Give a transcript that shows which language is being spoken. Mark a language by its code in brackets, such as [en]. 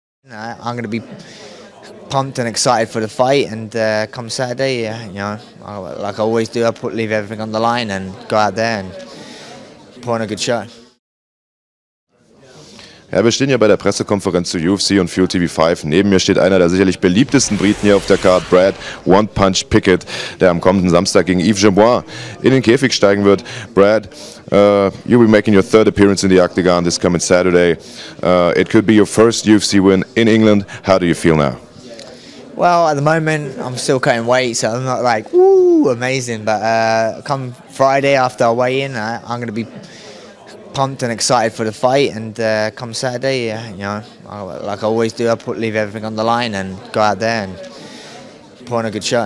[en] I'm going to be pumped and excited for the fight, and come Saturday, like I always do, leave everything on the line and go out there and put on a good show. [de] Ja, wir stehen hier bei der Pressekonferenz zu UFC und Fuel TV 5. Neben mir steht einer der sicherlich beliebtesten Briten hier auf der Card, Brad One Punch Pickett, der am kommenden Samstag gegen Yves Jabouin in den Käfig steigen wird. [en] Brad, you'll be making your third appearance in the Octagon this coming Saturday. It could be your first UFC win in England. How do you feel now? Well, at the moment, I'm still cutting weight, so I'm not like, woo, amazing. But come Friday after I weigh in, I'm going to be pumped and excited for the fight, and come Saturday, like I always do, leave everything on the line and go out there and put on a good show.